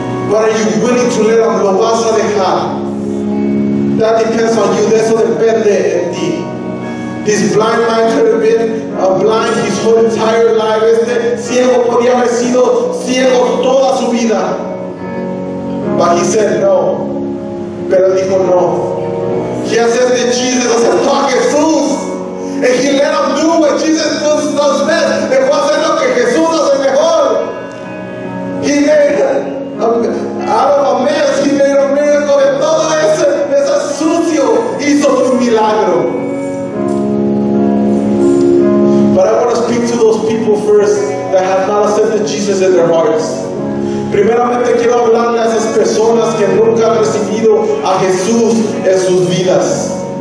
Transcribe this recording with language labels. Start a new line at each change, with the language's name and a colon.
English: But are you willing to let him?
Spanish: Lo vas a dejar.
English: That depends on you.
Spanish: Eso depende en ti.
English: This blind man could have been a blind his whole entire life.
Spanish: Este ciego podía haber sido ciego toda su vida.
English: But he said no.
Spanish: Pero dijo no.
English: He said to Jesus, I said, fuck it, fools. And he let him do what Jesus does best.
Spanish: Le fue a hacer lo que Jesús hace mejor.
English: He made out of a mess, he made a miracle.
Spanish: De todo ese sucio hizo un milagro.
English: But I want to speak to those people first that have not accepted Jesus in their hearts.
Spanish: Primeramente quiero hablarle a esas personas que nunca han recibido a Jesús en sus vidas.